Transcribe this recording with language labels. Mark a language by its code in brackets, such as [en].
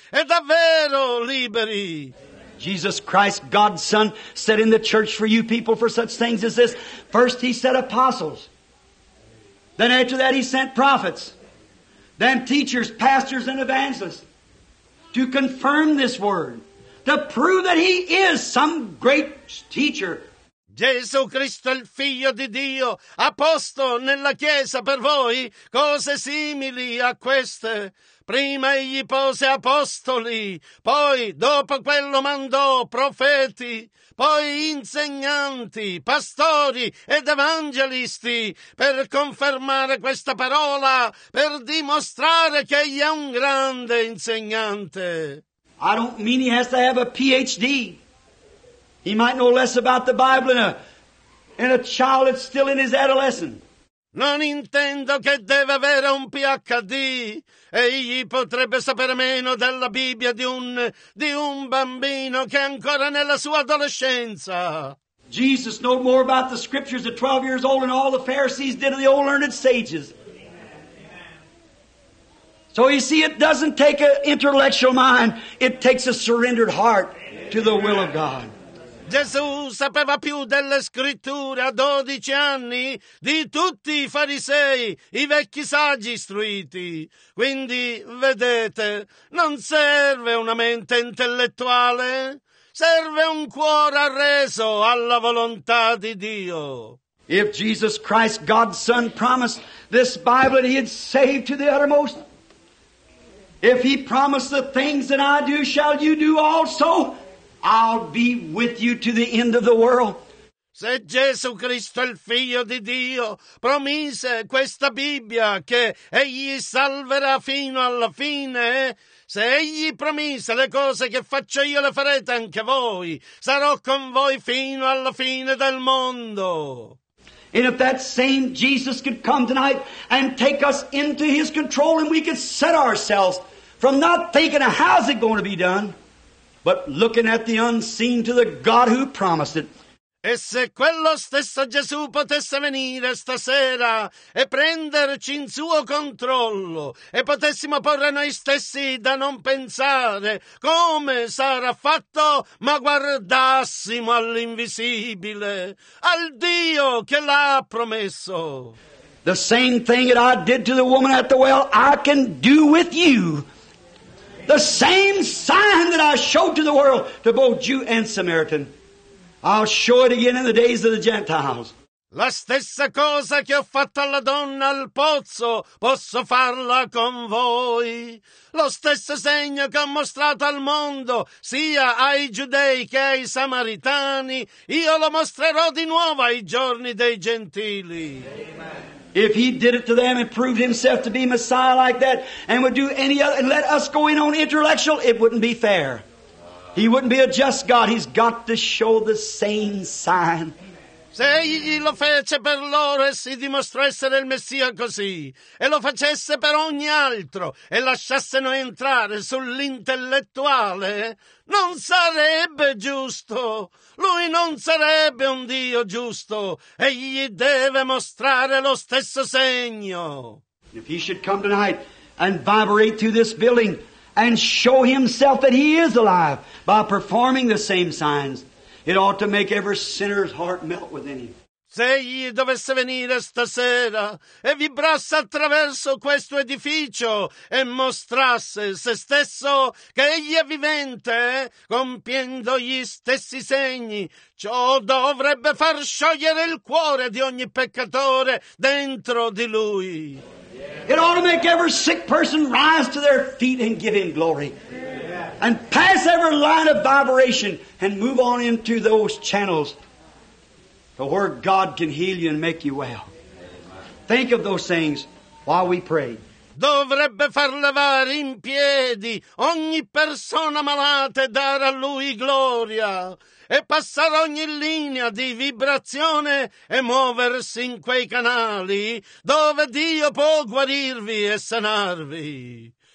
[it] E davvero liberi. [en] Jesus Christ, God's Son, set in the church for you people for such things as this. First he set apostles. Then after that he sent prophets. Then teachers, pastors and evangelists to confirm this word. To prove that he is some great teacher. [it] Gesù Cristo il figlio di Dio ha posto nella chiesa per voi cose simili a queste. Prima egli pose apostoli, poi dopo quello mandò profeti, poi insegnanti, pastori ed evangelisti per confermare questa parola, per dimostrare che egli è un grande insegnante. [en] I don't mean he has to have a PhD. He might know less about the Bible than a child that's still in his adolescence. [it] Non intendo che deve avere un PhD. Egli potrebbe sapere meno della Bibbia di un bambino che è ancora nella sua adolescenza. [en] Jesus knew more about the scriptures at 12 years old than all the Pharisees did of the old learned sages. So you see, it doesn't take an intellectual mind. It takes a surrendered heart to the will of God. [it] Gesù sapeva più delle scritture a 12 anni di tutti i farisei, i vecchi saggi istruiti. Quindi, vedete, non serve una mente intellettuale. Serve un cuore arreso alla volontà di Dio. [en] If Jesus Christ, God's Son, promised this Bible that he had saved to the uttermost, If he promised the things that I do, shall you do also? I'll be with you to the end of the world. [it] Se Gesù Cristo, il Figlio di Dio, promise questa Bibbia che egli salverà fino alla fine, se egli promise le cose che faccio io le farete anche voi, sarò con voi fino alla fine del mondo. [en] And if that same Jesus could come tonight and take us into his control, and we could set ourselves from not thinking of how's it going to be done, but looking at the unseen to the God who promised it. [it] E se quello stesso Gesù potesse venire stasera e prenderci in suo controllo e potessimo porre noi stessi da non pensare come sarà fatto, ma guardassimo all'invisibile, al Dio che l'ha promesso. [en] The same thing that I did to the woman at the well, I can do with you. The same sign that I showed to the world, to both Jew and Samaritan. I'll show it again in the days of the Gentiles. [it] La stessa cosa che ho fatto alla donna al pozzo, posso farla con voi. Lo stesso segno che ho mostrato al mondo, sia ai giudei che ai samaritani, io lo mostrerò di nuovo ai giorni dei gentili. [en] Amen. If he did it to them and proved himself to be Messiah like that, and would do any other, and let us go in on intellectual, it wouldn't be fair. He wouldn't be a just God. He's got to show the same sign. [it] Se egli lo fece per loro e si dimostrò essere il Messia così, e lo facesse per ogni altro, e lasciasse noi entrare sull'intellettuale, non sarebbe giusto. Lui non sarebbe un Dio giusto. Egli deve mostrare lo stesso segno. [en] If he should come tonight and vibrate through this building, and show himself that he is alive by performing the same signs, it ought to make every sinner's heart melt within him. [it] Se egli dovesse venire stasera e vibrasse attraverso questo edificio e mostrasse se stesso che egli è vivente, compiendo gli stessi segni, ciò dovrebbe far sciogliere il cuore di ogni peccatore dentro di lui. [en] It ought to make every sick person rise to their feet and give him glory. And pass every line of vibration and move on into those channels to where God can heal you and make you well. Think of those things while we pray. [it] Dovrebbe far levare in piedi ogni persona malata e dare a lui gloria. E passare ogni linea di vibrazione e muoversi in quei canali dove Dio può guarirvi e sanarvi.